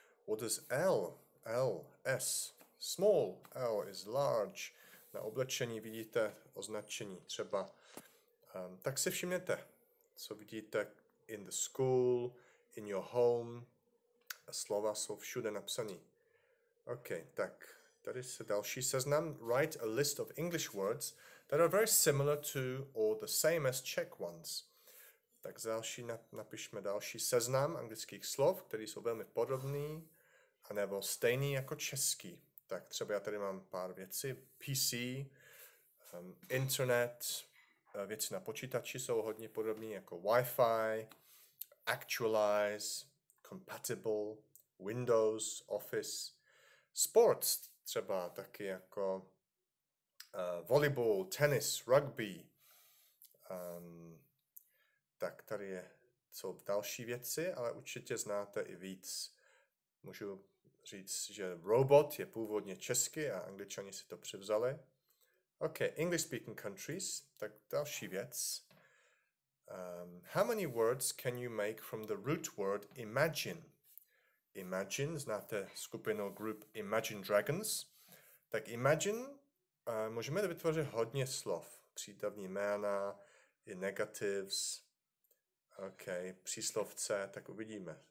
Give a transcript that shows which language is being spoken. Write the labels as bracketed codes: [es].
[en] What does L, S, small, L is large. [cs] Na oblečení vidíte označení, třeba. Tak si všimněte, co vidíte [en] in the school, in your home. [cs] Slova jsou všude napsaný. Okay, tak. Tady se další seznam. [en] Write a list of English words that are very similar to or the same as Czech ones. [cs] Tak další napišme další seznam anglických slov, které jsou velmi podobné, anebo stejný jako český. Tak třeba já tady mám pár věcí. PC, internet, věci na počítači jsou hodně podobné, jako Wi-Fi, actualize, compatible, Windows, Office, sports. Třeba taky jako volleyball, tennis, rugby. Tak tady jsou další věci, ale určitě znáte i víc. Můžu říct, že robot je původně česky a Angličani si to převzali. [en] OK, English-speaking countries, [cs] tak další věc. [en] How many words can you make from the root word imagine? [cs] Imagine, znáte skupinu group Imagine Dragons. Tak imagine, můžeme vytvořit hodně slov. Přídavní jména, i negatives. Okay, příslovce, tak uvidíme.